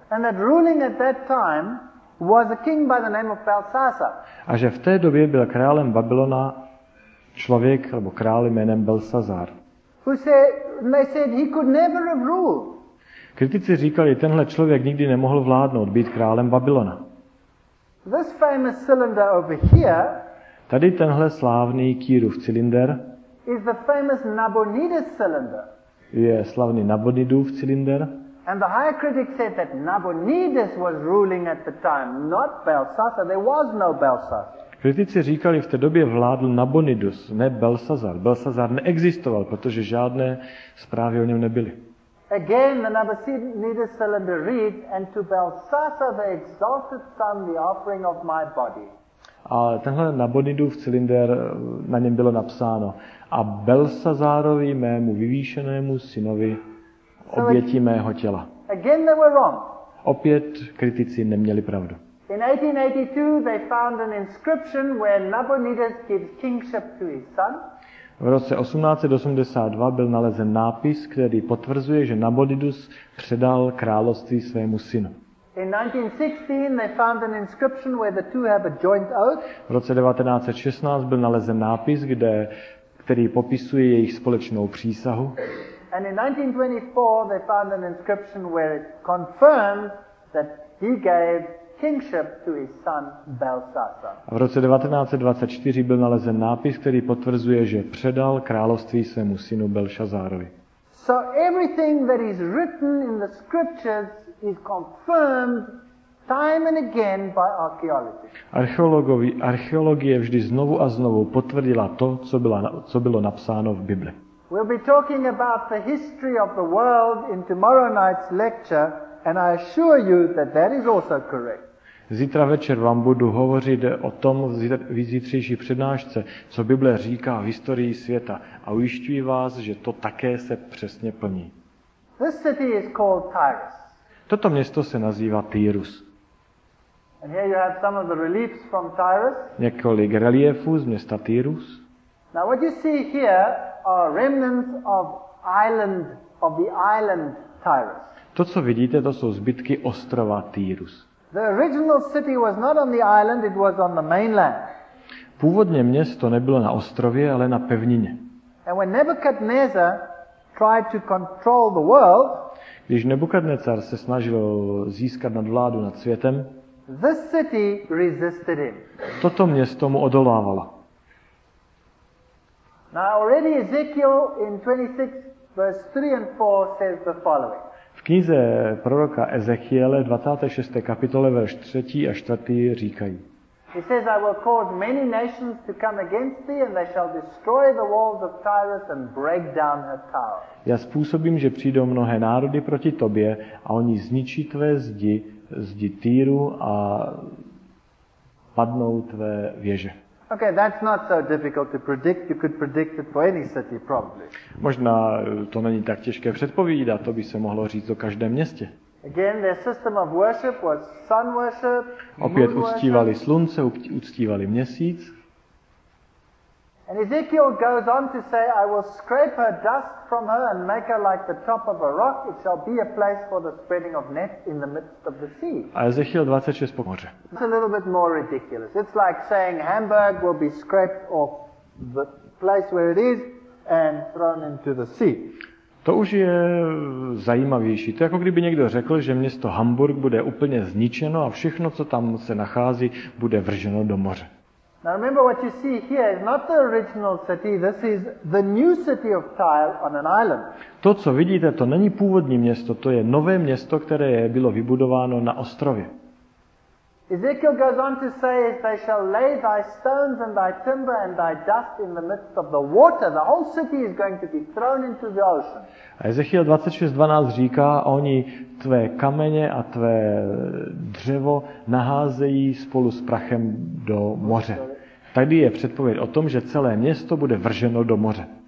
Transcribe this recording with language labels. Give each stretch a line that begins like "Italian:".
English: And that ruling at that time was a king by the name of Belshazzar.
Czech: A že v té době byl králem Babylona člověk nebo král jménem Belshazzar.
English: Who said, they said he could never have ruled.
Czech: Kritici říkali, tenhle člověk nikdy nemohl vládnout, být králem Babylona.
English: This famous cylinder over here.
Czech: Tady tenhle slavný Kýrův cylinder.
English: Is the famous Nabonidus cylinder.
Czech: Je slavný Nabonidův cylinder.
English: And the higher critic said that Nabonidus was ruling at the time, not Belshazzar. There was no Belshazzar.
Czech: Kritici říkali, v té době vládl Nabonidus, ne Belshazzar. Belshazzar neexistoval, protože žádné zprávy o něm nebyly.
English: Again, the Nabonidus cylinder reads, and to Belshazzar the exalted son the offering of my body.
Czech: A tenhle Nabonidův cylinder, na něm bylo napsáno, a Belshazzarovi mému vyvýšenému synovi obětí mého těla.
English: Again they were wrong.
Czech: Opět kritici neměli pravdu.
English: In 1882 they found an inscription where Nabonidus gives kingship to his son.
Czech: V roce 1882 byl nalezen nápis, který potvrzuje, že Nabonidus předal království svému synu.
English: In 1916 they found an inscription where the two have a joint oath.
Czech: V roce 1916 byl nalezen nápis, který popisuje jejich společnou přísahu.
English: And in 1924 they found an inscription where it confirms that he gave kingship to his son Belshazzar.
Czech: A v roce 1924 byl nalezen nápis, který potvrzuje, že předal království svému synu Belshazzarovi.
English: So everything that is written in the scriptures is confirmed time and again by archaeology.
Czech: Archeologie vždy znovu a znovu potvrdila to, co bylo napsáno v Bibli.
English: We'll be talking about the history of the world in tomorrow night's lecture, and I assure you that that is also correct.
Czech: Zítra večer vám budu hovořit o tom v zítřejší přednášce, co Bible říká v historii světa, a ujišťuji vás, že to také se přesně plní.
English: This city is called Tyrus.
Czech: Toto město se nazývá Tyrus.
English: And here you have some of the reliefs from Tyrus.
Czech: Několik reliefů z města Tyrus.
English: Now what you see here are remnants of island of the island Tyrus.
Czech: To, co vidíte, to jsou zbytky ostrova Tyrus.
English: The original city was not on the island, it was on the mainland.
Czech: Původně město nebylo na ostrově, ale na pevnině.
English: And when Nebuchadnezzar tried to control the world,
Czech: když Nebukadnezar se snažil získat nadvládu nad světem,
English: this city resisted him.
Czech: Toto město mu odolávalo.
English: Now already Ezekiel in 26 verse 3 and 4 says the following.
Czech: V knize proroka Ezechiele 26. kapitole verš 3 a 4 říkají.
English: He says, I will cause many nations to come against thee, and they shall destroy the walls of Tyrus and break down her towers.
Czech: Já způsobím, že přijdou mnohé národy proti tobě, a oni zničí tvé zdi Týru a padnou tvé věže.
English: Okay, that's not so difficult to predict. You could predict it for any city probably.
Czech: Možná to není tak těžké předpovídat, to by se mohlo říct o každém městě.
English: Again, their system of worship was sun worship.
Czech: Opět uctívali slunce, uctívali měsíc.
English: And Ezekiel goes on to say, I will scrape her dust from her and make her like the top of a rock. It shall be a place for the spreading of nets in the midst of the sea.
Czech: A Ezekiel 26 pomůže.
English: It's a little bit more ridiculous. It's like saying Hamburg will be scraped off the place where it is and thrown into the sea.
Czech: To už je zajímavější. To je jako kdyby někdo řekl, že město Hamburg bude úplně zničeno a všechno, co tam se nachází, bude vrženo do moře.
English: Now remember what you see here is not the original city, this is the new city of Tyre on an island.
Czech: To, co vidíte, to není původní město, to je nové město, které bylo vybudováno na ostrově.
English: Ezekiel goes on to say, they shall lay thy stones and thy timber and thy dust in the midst of the water. The whole city is going to be thrown into the ocean.
Czech: A Ezechiel 26:12 říká, oni tvé kamene a tvé dřevo naházejí spolu s prachem do moře. Tady je předpověď o tom, že celé město bude vrženo do moře.